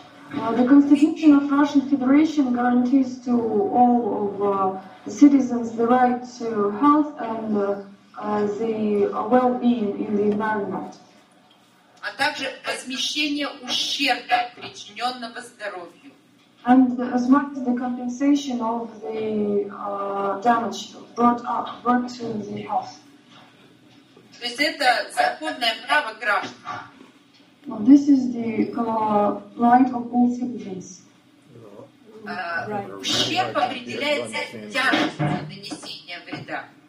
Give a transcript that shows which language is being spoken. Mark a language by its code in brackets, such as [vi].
[en] The Constitution of Russian Federation guarantees to all of citizens the right to health and the well-being in the environment. [ru] А также возмещение ущерба, причиненного здоровью. [en] And as much as the compensation of the damage brought to the health. [ru] То есть это законное право граждан. [en] Well, this is the right of all citizens. [ru] Ущерб определяется тяжестью нанесения вреда.